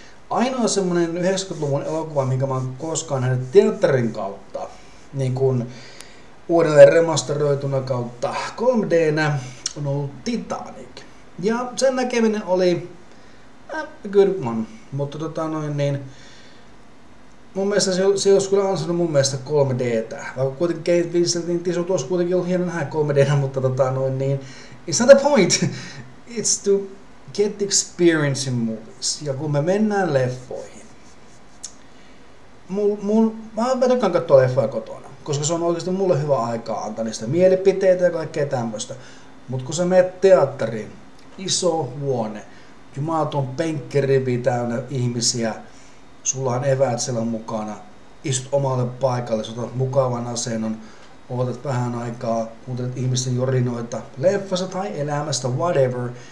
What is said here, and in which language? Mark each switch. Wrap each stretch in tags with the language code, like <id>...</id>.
<fi>Ainoa semmoinen 90-luvun elokuva, minkä mä oon koskaan nähnyt teatterin kautta, niin kuin uudelleen remasteroituna kautta 3D:nä, on ollut Titanic. Ja sen näkeminen oli kyllä on. Mutta tota noin, niin mun mielestä se olisi kyllä ansainnut mun mielestä 3D-tä. Vaikka kuitenkin Kate Winslet, niin se olisi kuitenkin ollut hieno nähdä 3D-tä, mutta tota noin, niin</fi> <en>it's not the point. It's to get the experience in movies.</en> <fi>Ja kun me mennään leffoihin, mä tykkään katsoa leffoja kotona, koska se on oikeasti mulle hyvä aikaa antaa niistä mielipiteitä ja kaikkea tämmöistä. Mutta kun sä menet teatteriin, iso huone, jumalaton penkkirivi täynnä ihmisiä, sulla on eväät siellä mukana, istut omalle paikalle, otat mukavan asennon, odotat vähän aikaa, kuuntelet ihmisten jorinoita, leffasta tai elämästä, whatever.</fi>